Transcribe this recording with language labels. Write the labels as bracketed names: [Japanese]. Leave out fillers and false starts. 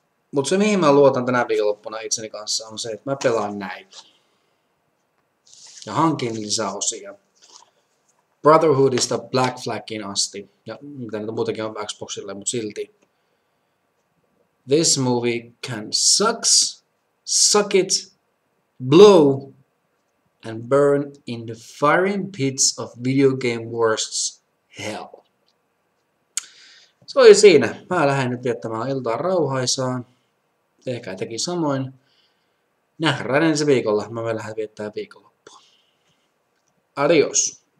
[Finnish] Mutta se, mihin mä luotan tänä viikonloppuna itseni kanssa, on se, että mä pelaan näitä. Ja hankin lisäosia. Brotherhoodista Black Flagin asti. Ja mitä nyt muutenkin on Xboxille, mutta silti. [English] This movie can sucks, suck it, blow, and burn in the firing pits of video game worst's hell. [Finnish] Se oli siinä. Mä lähden nyt viettämään iltaa rauhaisaa. Ehkä etenkin samoin. Nähdään ensi viikolla. Mä lähden viettämään viikonloppua. Adios.